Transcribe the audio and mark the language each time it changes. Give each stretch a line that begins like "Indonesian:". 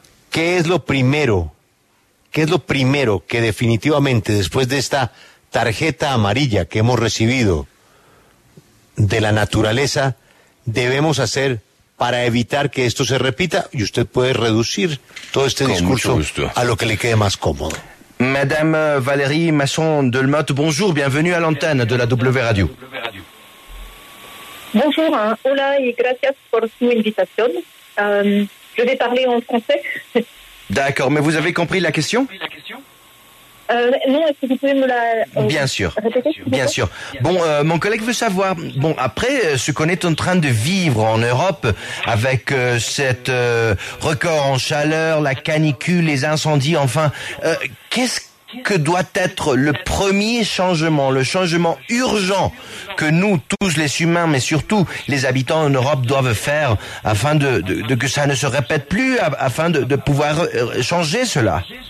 Spanish: ¿Qué es lo primero? ¿Qué es lo primero que definitivamente, después de esta tarjeta amarilla que hemos recibido de la naturaleza, debemos hacer para evitar que esto se repita? Y usted puede reducir todo este discurso a lo que le quede más cómodo.
French: Madame Valérie Masson-Delmotte, bonjour, bienvenue à l'antenne de la W Radio. Bonjour, hein.
Spanish: Hola y gracias por su invitación.
French: Je vais parler en français. D'accord, mais vous avez compris la question? Non, est-ce que vous pouvez me la répéter? Bien sûr, bien sûr. Bon, mon collègue veut savoir, bon, après ce qu'on est en train de vivre en Europe, avec cet record en chaleur, la canicule, les incendies, enfin, qu'est-ce que doit être le premier changement, le changement urgent que nous, tous les humains, mais surtout les habitants en Europe, doivent faire afin de que ça ne se répète plus, afin de pouvoir changer cela?